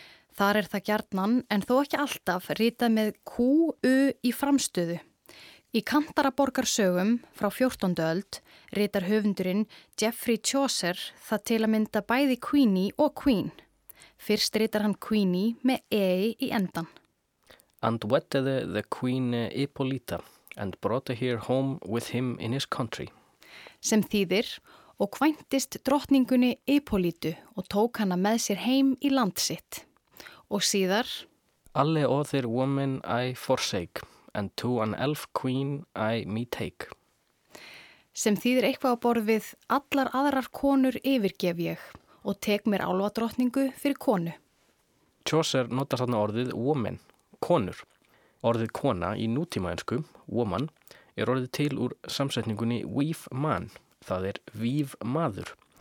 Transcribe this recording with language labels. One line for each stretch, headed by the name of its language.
Icelandic: Þar er það gjarnan en þó ekki alltaf ritað með Q-U í framstöðu. Í Kantaraborgarsögum frá 14. öld ritar höfundurinn Geoffrey Chaucer það til að mynda bæði Queenie og Queen. Fyrst ritar hann Queenie með E í endan.
English: And wedded the Queen Hippolyta and brought her home with him in his country.
Icelandic: Sem þýðir og kvæntist drottningunni Hippolytu og tók hana með sér heim í land sitt. Og síðar
English: Alle other women I forsake and to an elf queen I me take.
Icelandic: Sem þýðir eitthvað á borð við allar aðrar konur yfirgef ég og tek mér álfadrottningu fyrir konu. Chaucer notar þarna orðið woman, konur. Orðið kona í nútímaensku, woman, er orðið til úr samsetningunni weave man, það er víf maður.